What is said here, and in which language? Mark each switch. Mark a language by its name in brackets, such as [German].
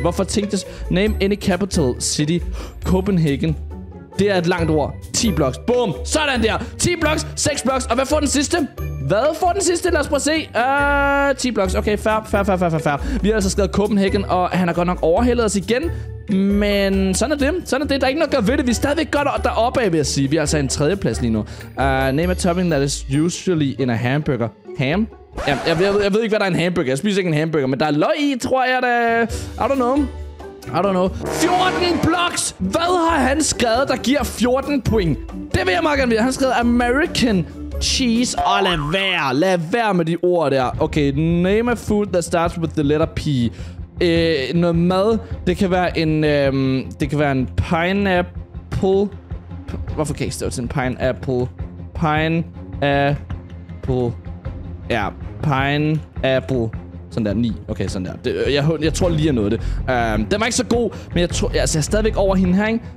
[Danish] Hvorfor tænkte jeg... [English] Name any capital city. [Danish] Copenhagen. Det er et langt ord. 10 blocks. Boom. Sådan der. 10 blocks. 6 blocks. Og hvad får den sidste? Hvad får den sidste? Lad os prøve at se. 10 blocks. Okay, fair. Vi har altså skrevet Copenhagen, og han har godt nok overhældet os igen. Men sådan er det. Sådan er det. Der er ikke noget at gøre ved det. Vi er stadigvæk godt deroppe af, vil jeg sige. Vi er altså en tredjeplads lige nu. [English] Name a topping that is usually in a hamburger. [Danish] Ham? Jamen, jeg ved ikke, hvad der er en hamburger. Jeg spiser ikke en hamburger, men der er løg i, tror jeg, da. [English] I don't know. [Danish] 14 blocks! Hvad har han skrevet, der giver 14 point? Det vil jeg meget gerne vide. Han skrev American cheese. Og lad være. Lad være med de ord der. [English] Okay, name a food that starts with the letter P. [Danish] Noget mad. Det kan være en, det kan være en pineapple. Hvorfor kan jeg stå til en pineapple? Pineapple. Ja, pineapple. Sådan der, 9. Okay, sådan der. Jeg tror lige, jeg nåede det. Den var ikke så god, men jeg tror... Altså, jeg er stadigvæk over hende her, ikke?